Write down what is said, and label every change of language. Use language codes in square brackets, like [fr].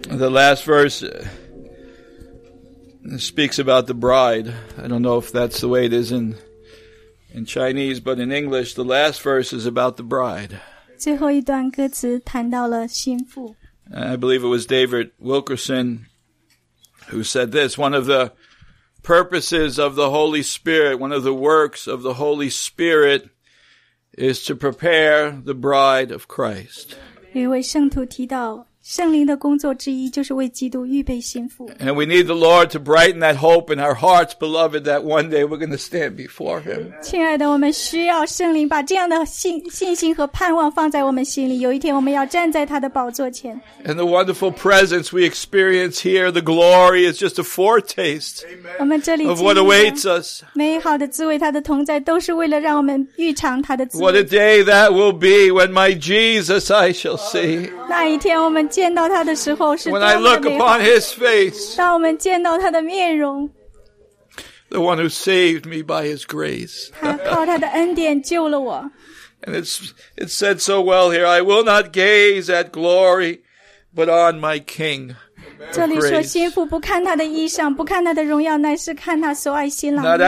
[en] last verse speaks about the bride. I don't know if that's the way it is in Chinese, but in English, the last verse is about the bride. [zh] 最后一段歌词谈到了新妇。 [en] I believe it was David Wilkerson who said this, one of the purposes of the Holy Spirit, one of the works of the Holy Spirit is to prepare the bride of Christ. [zh] 有一位圣徒提到圣灵的工作之一就是为基督预备心腹。 [en] And we need the Lord to brighten that hope in our hearts, beloved, that one day we're going to stand before Him. [zh] 亲爱的，我们需要圣灵把这样的信心和盼望放在我们心里，有一天我们要站在他的宝座前。 [en] And the wonderful presence we experience here, the glory is just a foretaste. [zh] 我们这里今天 [en] of what awaits us. [zh] 美好的滋味，他的同在，都是为了让我们预尝他的滋味。 [en] What a day that will be when my Jesus I shall see. [zh] 那一天我们见到他的时候是多么美好。 [en] When I look upon his face, [zh] 当我们见到他的面容。 [en] The one who saved me by his grace. [zh] 他靠他的恩典救了我。 [en] And it's said so well here, I will not gaze at glory, but on my King. [zh] 这里说心腹不看他的衣裳，不看他的荣耀，乃是看他所爱新郎的面容。